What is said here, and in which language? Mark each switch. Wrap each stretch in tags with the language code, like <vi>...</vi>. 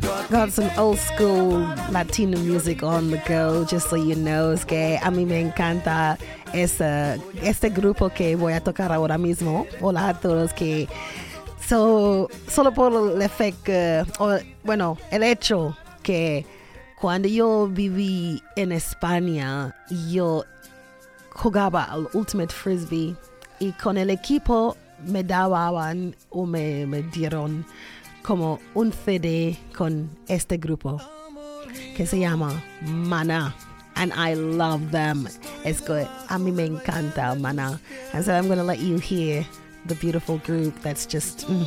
<en>got some old school Latino music on the go, just so you know.</en> <es>Es que a mí me encanta este grupo que voy a tocar ahora mismo. Hola a todos que... So, solo por el efecto, bueno, el hecho que cuando yo viví en España, yo jugaba al Ultimate Frisbee y con el equipo me daban o me dieron como un CD con este grupo que se llama Maná.</es> <en>And I love them.</en> <es>Es que a mí me encanta Maná.</es> <en>And so I'm going to let you hear the beautiful group that's just...</en>